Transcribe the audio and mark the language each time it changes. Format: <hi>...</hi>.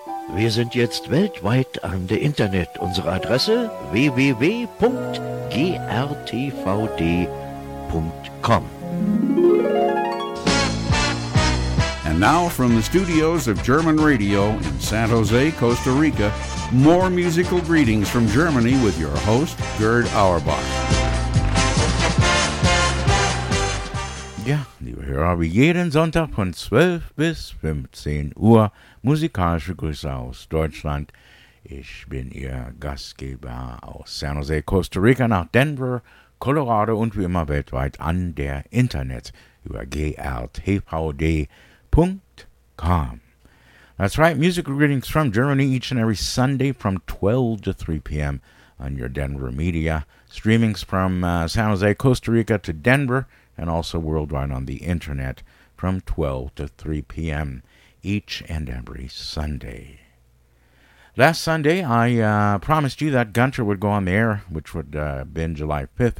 <de>Wir sind jetzt weltweit an der Internet. Unsere Adresse www.grtvd.com.</de> <en>And now from the studios of German Radio in San Jose, Costa Rica, more musical greetings from Germany with your host, Gerd Auerbach.</en> <de>Ja, liebe Hörer, wie jeden Sonntag von 12 bis 15 Uhr musikalische Grüße aus Deutschland. Ich bin Ihr Gastgeber aus San Jose, Costa Rica, nach Denver, Colorado und wie immer weltweit an der Internet über grtvd.com.</de> <en>That's right, musical greetings from Germany each and every Sunday from 12 to 3 p.m. on your Denver media. Streamings from San Jose, Costa Rica to Denver, and also worldwide on the internet from 12 to 3 p.m. each and every Sunday. Last Sunday, I promised you that Gunter would go on the air, which would been July 5th.</en>